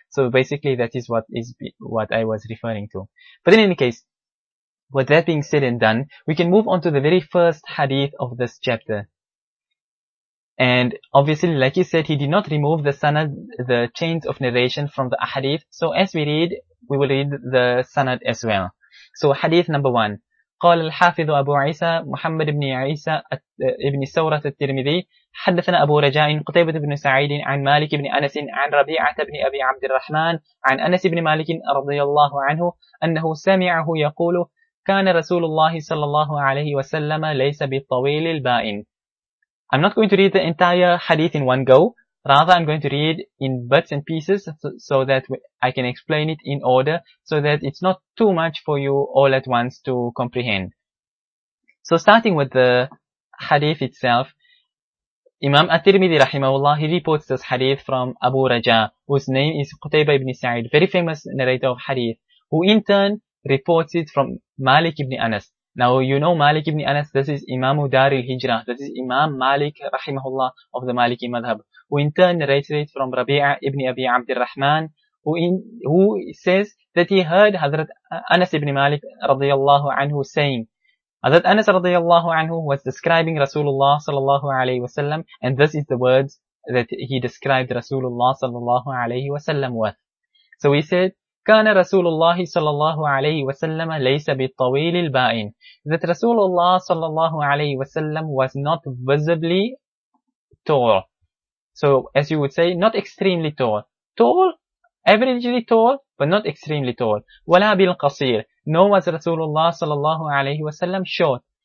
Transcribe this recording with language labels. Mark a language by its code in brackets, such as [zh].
[en] So basically, that is what I was referring to. But in any case, with that being said and done, we can move on to the very first hadith of this chapter. And obviously, like you said, he did not remove the sanad, the chains of narration from the ahadith. So as we read, we will read the sanad as well. So hadith number one. [ar] قال الحافظ أبو عيسى محمد بن عيسى ابن ثورة الترمذي حدثنا أبو رجاء قتيبة بن سعيد عن مالك بن أنس عن ربيعة بن أبي عبد الرحمن عن أنس بن مالك رضي الله عنه أنه سمعه يقول كان رسول الله صلى الله عليه وسلم ليس بالطويل البائن. [en] I'm not going to read the entire hadith in one go. Rather, I'm going to read in bits and pieces so that I can explain it in order, so that it's not too much for you all at once to comprehend. So starting with the hadith itself, Imam At-Tirmidhi rahimahullah, he reports this hadith from Abu Raja, whose name is Qutaybah ibn Sa'id, very famous narrator of hadith, who in turn reports it from Malik ibn Anas. Now, you know Malik ibn Anas, this is Imam Dar al-Hijrah, this is Imam Malik rahimahullah of the Maliki Madhab, who in turn narrated it from Rabi'a ibn Abi Abd al-Rahman, who says that he heard Hazrat Anas ibn Malik radiyallahu anhu saying, Hazrat Anas radiyallahu anhu was describing Rasulullah sallallahu alayhi wa sallam, and this is the words that he described Rasulullah sallallahu alayhi wa sallam with. So he said, [ar] كان رسول الله صلى الله عليه وسلم ليس بالطويل البائن. [en] That Rasulullah [ar] صلى الله عليه وسلم [en] was not visibly tall. So as you would say, not extremely tall. Tall, averagely tall, but not extremely tall. [ar] ولا بالقصير. [en] Nor was Rasulullah [ar] صلى الله عليه وسلم [en] short.